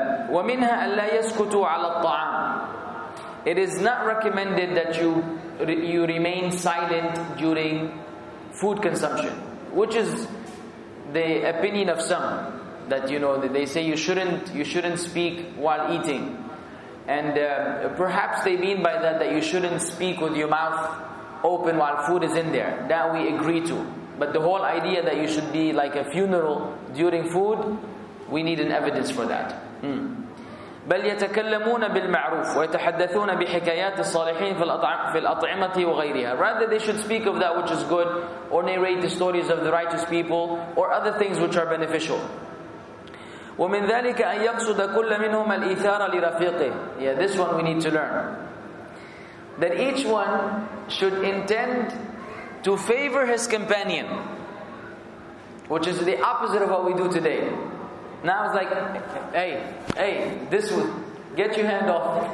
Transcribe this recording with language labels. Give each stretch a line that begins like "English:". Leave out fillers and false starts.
Arabic: ومنها ألا يسكتوا على الطعام.
English: It is not recommended that you remain silent during food consumption, which is the opinion of some, that you know they say you shouldn't speak while eating, and perhaps they mean by that you shouldn't speak with your mouth open while food is in there. That we agree to, but the whole idea that you should be like a funeral during food, we need an evidence for that.
Arabic: بل يتكلمون بالمعروف ويتحدثون بحكايات الصالحين في الأطعمة وغيرها.
English: Rather they should speak of that which is good, or narrate the stories of the righteous people, or other things which are beneficial.
Arabic: ومن ذلك أن يقصد كل منهما الإثارة لرفيقه.
English: Yeah, this one we need to learn. That each one should intend to favor his companion, which is the opposite of what we do today. Now it's like, hey, this one, get your hand off.